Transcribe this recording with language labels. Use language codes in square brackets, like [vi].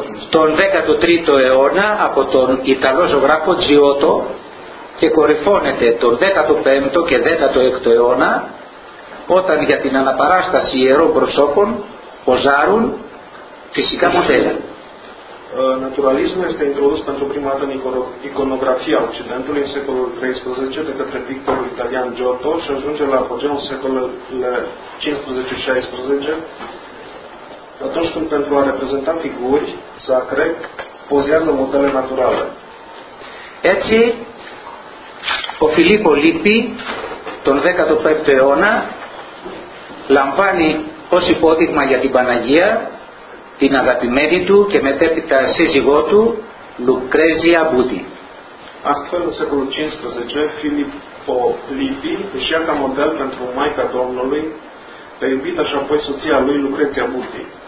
[el] Τον 13ο αιώνα από τον Ιταλό ζωγράφο Τζιότο και κορυφώνεται τον 15ο και 16ο αιώνα όταν για την αναπαράσταση ιερών προσώπων ποζάρουν φυσικά μοντέλα. [ro] Naturalismul este introdus pentru prima dată în iconografia Occidentului în secolul XIII de către pictorul italian Giotto și ajunge la apogeu în secolele XV-XVI, atunci când pentru a reprezenta figuri sacre pozează modele naturale. [el] Έτσι, ο Φιλίππο Λίππη τον 15ο αιώνα λαμβάνει ως υπόδειγμα για την Παναγία την αγαπημένη του και μετέπειτα σύζυγό του Λουκρέζια Μπούτη. [ro] Astfel, în secolul XV, Filippo Lippi își ia ca model pentru Maica Domnului, pe iubita și apoi soția lui Lucreția Buti.